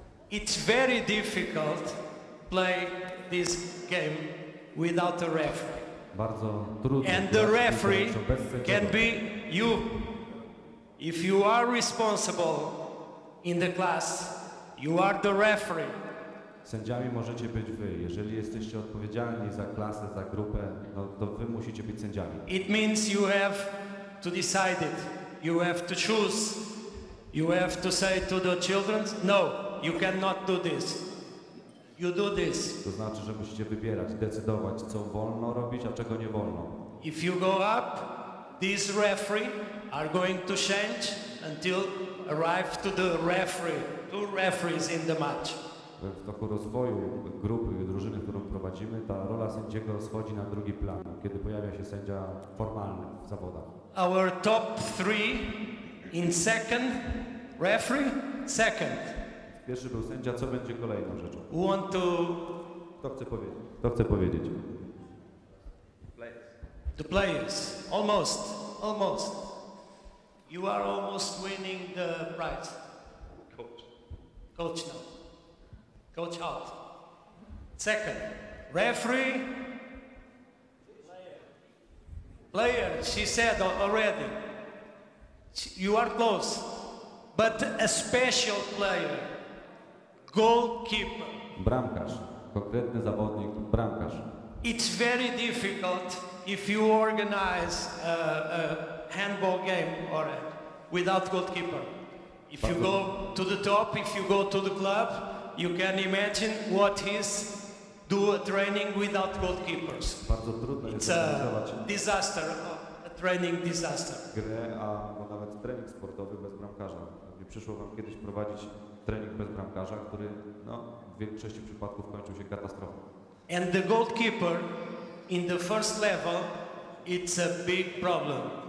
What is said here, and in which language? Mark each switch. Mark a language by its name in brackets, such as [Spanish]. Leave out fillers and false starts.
[English] It's very difficult to play this game without a referee. [Polish] Bardzo trudno. [English] And the referee can be you. If you are responsible in the class, you are the referee. [Polish] Sędziami możecie być wy. Jeżeli jesteście odpowiedzialni za klasę, za grupę, no to wy musicie być sędziami. [English] It means you have to decide it. You have to choose. You have to say to the children, no, you cannot do this. You do this. [Polish] To znaczy, że musicie wybierać, decydować, co wolno robić, a czego nie wolno. [English] If you go up, these referee are going to change until arrive to the referee. 2 referees in the match. [Polish] W toku rozwoju grupy i drużyny, którą prowadzimy, ta rola sędziego schodzi na drugi plan, kiedy pojawia się sędzia formalny w zawodach. [English] Our top 3 in second referee, second. [Polish] Pierwszy był sędzia, co będzie kolejną rzeczą? [English] Want to... [Polish] Kto chce powiedzieć? [English] The players. Almost. You are almost winning the prize. Coach now. Coach out. Second. Referee. Player, she said already. You are close. But a special player. Goalkeeper. [Polish] Bramkarz. Konkretny zawodnik. Bramkarz. [English] It's very difficult if you organize a handball game or without goalkeeper. If you go to the top, if you go to the club, you can imagine what is do a training without goalkeepers. [Polish] Bardzo trudno [English] it's [Polish] jest [English] a disaster, a training disaster. [Polish] Grę, a no nawet trening sportowy bez bramkarza. Nie przyszło wam kiedyś prowadzić trening bez bramkarza, który no, w większości przypadków kończył się katastrofą. [English] And the goalkeeper in the first level, it's a big problem.